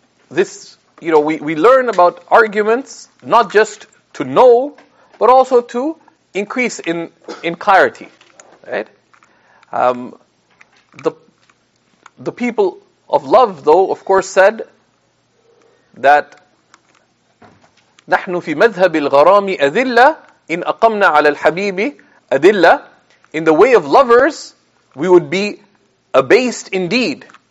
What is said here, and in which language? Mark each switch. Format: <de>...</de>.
<en>We learn about arguments, not just to know, but also to increase in clarity, right? The people of love, though, of course, said that</en> <ar>نحن في مذهب الغرام أذلة إن أقمنا على الحبيب أذلة.</ar> <en>In the way of lovers, we would be abased indeed.</en>